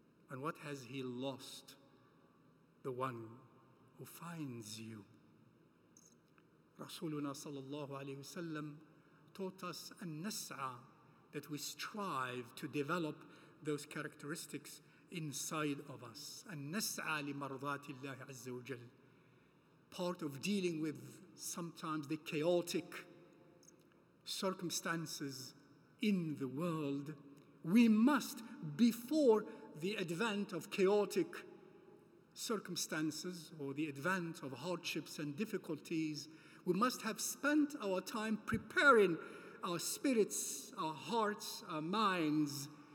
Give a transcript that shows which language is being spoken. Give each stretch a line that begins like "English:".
English: And what has he lost, the one who finds you?
Arabic: رسولنا صلى الله عليه وسلم
English: taught us
Arabic: أن نسعى,
English: that we strive to develop those characteristics inside of us.
Arabic: أن نسعى لمرضاة الله عز وجل.
English: Part of dealing with sometimes the chaotic circumstances in the world, we must, before the advent of chaotic circumstances or the advent of hardships and difficulties, we must have spent our time preparing our spirits, our hearts, our minds.